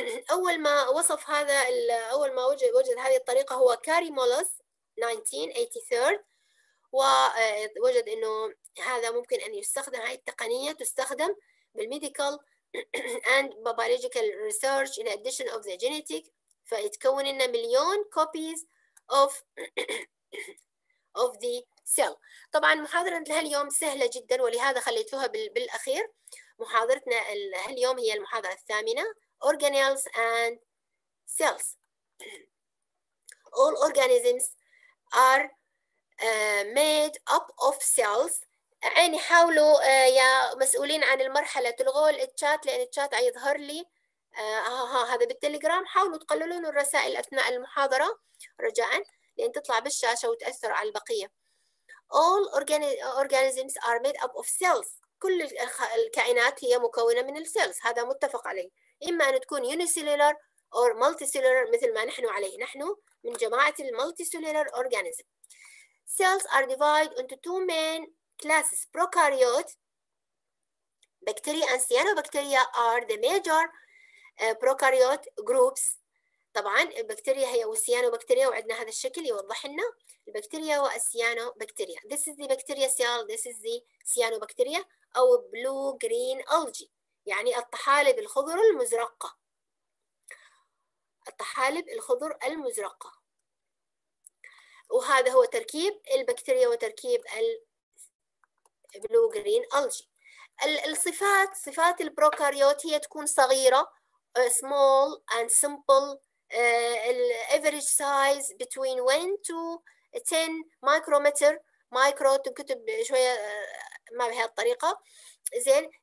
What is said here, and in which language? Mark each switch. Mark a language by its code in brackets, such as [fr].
[ar] أول ما وصف هذا، أول ما وجد هذه الطريقة هو كاري مولس 1983، ووجد أنه هذا ممكن أن يستخدم، هذه التقنية تستخدم بالميديكال [en] and biological research in addition of the genetic، [ar] فيتكون لنا مليون [en] copies of the cell. [ar] طبعا محاضرة لهاليوم سهلة جدا، ولهذا خليتوها بالأخير. محاضرتنا اليوم هي المحاضرة الثامنة Organelles and Cells. [en] All organisms are made up of cells. [ar] عيني حاولوا يا مسؤولين عن المرحلة تلغوا الشات، لأن الشات يظهر لي هذا بالتليجرام، حاولوا تقللون الرسائل أثناء المحاضرة رجاء، لأن تطلع بالشاشة وتأثر على البقية. [en] All organisms are made up of cells. [ar] كل الكائنات هي مكونة من السيلز، هذا متفق عليه، إما أن تكون unicellular أو multicellular مثل ما نحن عليه، نحن من جماعة المulticellular organism. [en] Cells are divided into two main classes. Prokaryote bacteria and cyanobacteria are the major prokaryote groups. [ar] طبعا البكتيريا هي والسيانوبكتيريا، وعندنا هذا الشكل يوضح لنا البكتيريا والسيانوبكتيريا. [en] This is the bacteria cell, this is the cyanobacteria [ar] أو blue green algae، يعني الطحالب الخضر المزرقة، الطحالب الخضر المزرقة، وهذا هو تركيب البكتيريا وتركيب ال blue green algae. الصفات، صفات البروكاريوت هي تكون صغيرة [en] small and simple، average size between 1 to 10 micrometer، [ar] micro تكتب شوية ما بهي الطريقة زين.